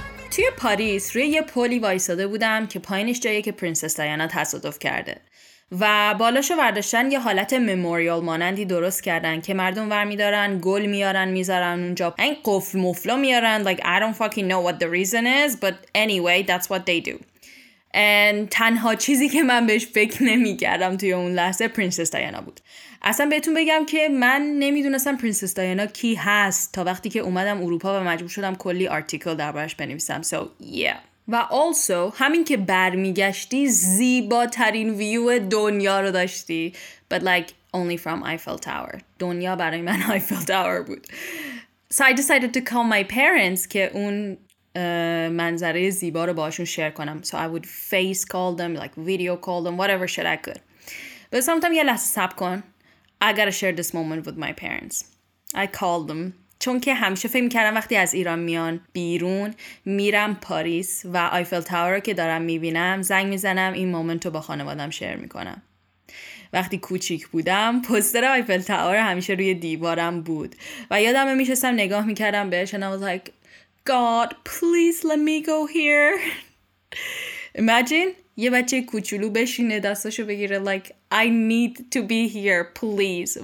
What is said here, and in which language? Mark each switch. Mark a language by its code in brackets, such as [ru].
[fa] توی پاریس روی یه پلی وایساده بودم که پایینش جایی که پرنسس دیانا تصادف کرده و بالاشو برداشتن یه حالت مموریال مانندی درست کردن که مردم ور میدارن، گل میارن، میذارن اونجا، این قفل مفلا میارن. [en] Like I don't fucking know what the reason is, but anyway, that's what they do. [fa] And تنها چیزی که من بهش فکر نمیکردم توی اون لحظه پرنسس دیانا بود. اصلا بهتون بگم که من نمیدونستم پرنسس دیانا کی هست تا وقتی که اومدم اروپا و مجبور شدم کلی آرتیکل دربارش بنویسم. [en] So yeah. [fa] و also همین که برمیگشتی زیباترین ویو دنیا رو داشتی. [en] But like only from Eiffel Tower. [fa] دنیا برای من Eiffel Tower بود. [en] So I decided to call my parents [fa] که اون منظره زیبا رو باشون شیر کنم. [en] So I would face call them, like video call them, whatever shit I could. But sometimes [fa] یه لحظه صبر کن. [en] I gotta share this moment with my parents. I called them. [fa] چون که همیشه فکر میکردم وقتی از ایران میان بیرون میرم پاریس و آیفل تاور رو که دارم میبینم زنگ میزنم این مومنت رو با خانوادم شیر میکنم. وقتی کوچیک بودم پوستر آیفل تاور همیشه روی دیوارم بود و یادم میشستم نگاه میکردم بهش [en] and I was like God please let me go here. Imagine [fa] یه بچه کوچولو بشینه دستاشو بگیره [en] like I need to be here please.